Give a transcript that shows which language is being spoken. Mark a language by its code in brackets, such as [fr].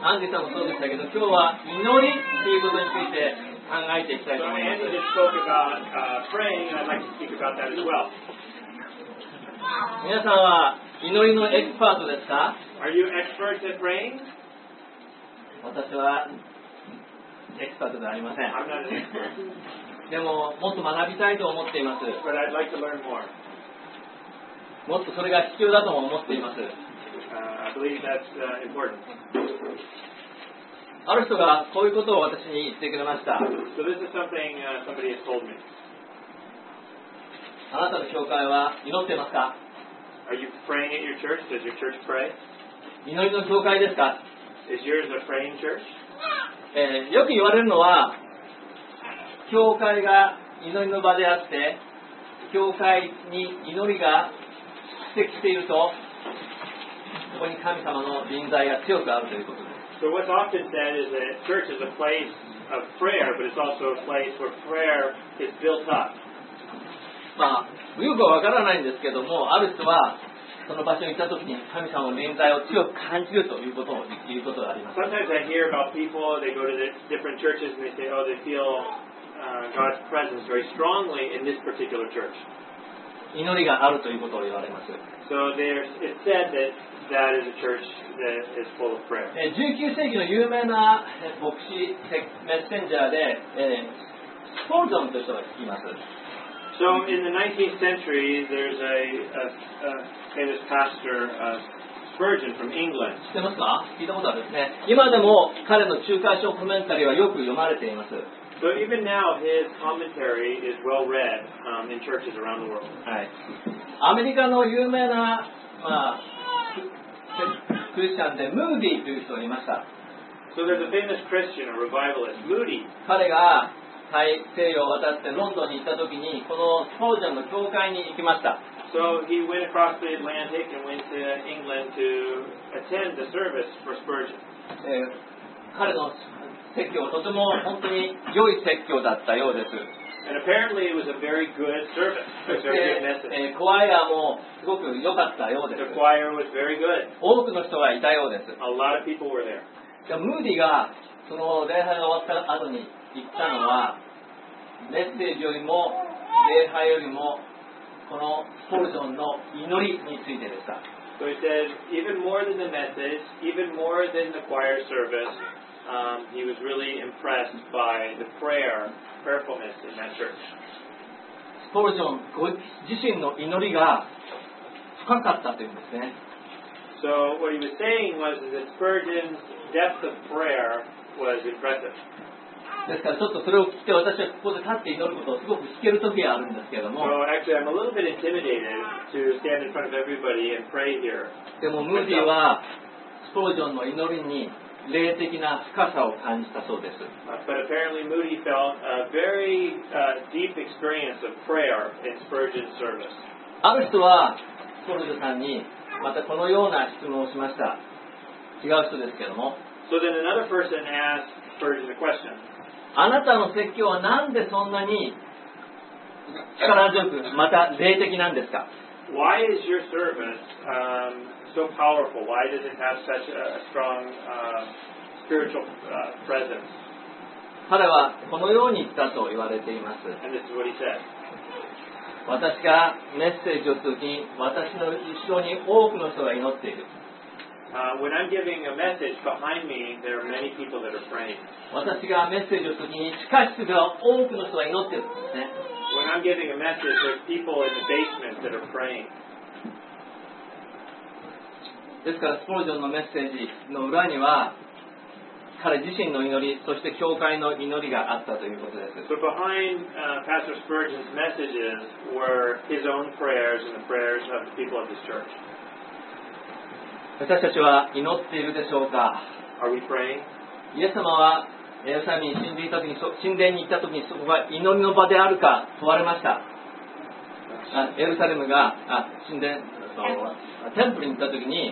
[ja] Andy さんもそうでしたけど、今日は祈りということについて考えていきたいと思います。 [en] So Andy just spoke about praying, and I'd like to speak about that as well. [ja] 皆さんは祈りのエキスパートですか? [en] Are you experts at praying? [ja] 私はエキスパートではありません。 [en] I'm not an expert. [ja] でも、もっと学びたいと思っています。 [en] But I'd like to learn more. [ja] もっとそれが必要だとも思っています。 [en] I believe that's important. [ja] ある人がこういうことを私に言ってくれました。 [en] So this is something, somebody has told me. [ja] あなたの教会は祈ってますか? [en] Are you praying at your church? Does your church pray? [ja] 祈りの教会ですか? [en] Is yours a praying church? [ja] よく言われるのは、教会が祈りの場であって、教会に祈りが蓄積していると、そこに神様の臨在が強くあるということです。 [en] So what's often said is that church is a place of prayer, but it's also a place where prayer is built up. [ja] まあ、よくわからないんですけども、ある人は、その場所に行ったときに神様の臨在を強く感じるということを言うことがあります。 [en] Sometimes I hear about people, they go to the different churches and they say, oh, they feel...God's presence very strongly in this particular church. [ja] 祈りがあるということを言われます。 [en] So it's said that that is a church that is full of prayer. [ja] 19世紀の有名な牧師メッセンジャーで、スポルゾンという人が聞きます。 [en] So in the 19th century, there's a famous pastor, Spurgeon from England. [ja] 知ってますか？聞いたことあるですね。今でも彼の中間書コメンタリーはよく読まれています。 [en] So even now, his commentary is well read, in churches around the world. [ja] はい。アメリカの有名な、まあ、クリスチャンでムーディーという人がいました。 [en] So there's a famous Christian, a revivalist, Moody. [ja] 彼が大西洋を渡ってロンドンに行った時に、このスポージョンの教会に行きました。 [en] So he went across the Atlantic and went to England to attend the service for Spurgeon. [ja] 彼の説教はとても本当に良い説教だったようです。 [en] And apparently it was a very good service. A very good message. [ja] コワイアもすごく良かったようです。 [en] The choir was very good. [ja] 多くの人がいたようです。 [en] A lot of people were there. [ja] じゃあムーディがその礼拝が終わった後に言ったのは、メッセージよりも礼拝よりもこのスポルジョンの祈りについてでした。 [en] So he says, even more than the message, even more than the choir service, he was really impressed by the prayer, prayerfulness in that church. [ja] スポルジョン自身の祈りが深かったというんですね。 [en] So what he was saying was that Spurgeon's depth of prayer was impressive. [ja] ですからちょっとそれを聞いて私はここで立って祈ることをすごく引ける時があるんですけれども。 [en] So, actually, I'm a little bit intimidated to stand in front of everybody and pray here. [ja] でもムーディはスポージョンの祈りに霊的な深さを感じたそうです。 [en] But apparently Moody felt a very deep experience of prayer in Spurgeon's service. [ja] ある人はスポージョンさんにまたこのような質問をしました。違う人ですけれども。 [en] So then another person asked Spurgeon a question. [ja] あなたの説教はなんでそんなに力強く、また霊的なんですか？ [en] Why is your service, so powerful? Why does it have such a strong, spiritual, presence? [ja] 彼はこのように言ったと言われています。 [en] And this is what he said. [ja] 私がメッセージをするときに、私の後ろに多くの人が祈っている。 [en] When I'm giving a message behind me, there are many people that are praying. [ja] 私がメッセージをするときに地下室では多くの人が祈ってるんですね。 [en] When I'm giving a message, there's people in the basement that are praying. [ja] ですからスポルジョンのメッセージの裏には彼自身の祈り、そして教会の祈りがあったということです。 [en] So behind, Pastor Spurgeon's messages were his own prayers and the prayers of the people of his church. [ja] 私たちは祈っているでしょうか？ [en] Are we praying? [ja] イエス様はエルサレムに神殿に行った時に、 そこが祈りの場であるか問われました。エルサレムが神殿テンプルに行った時に、